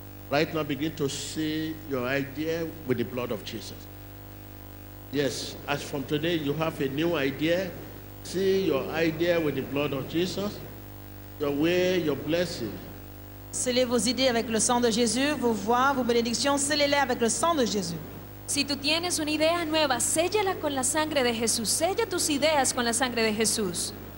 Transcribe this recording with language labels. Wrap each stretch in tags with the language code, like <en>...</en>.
<en>Right now, begin to see your idea with the blood of Jesus. Yes, as from today, you have a new idea. See your idea with the blood of Jesus. Your way, your blessing.</en> <fr>Scellez vos idées avec le sang de Jésus. Vos voies, vos bénédictions, scellez-les avec le sang de Jésus.</fr> <es>Si tú tienes una idea nueva, séllala con la sangre de Jesús. Sella tus ideas con la sangre de Jesús.</es>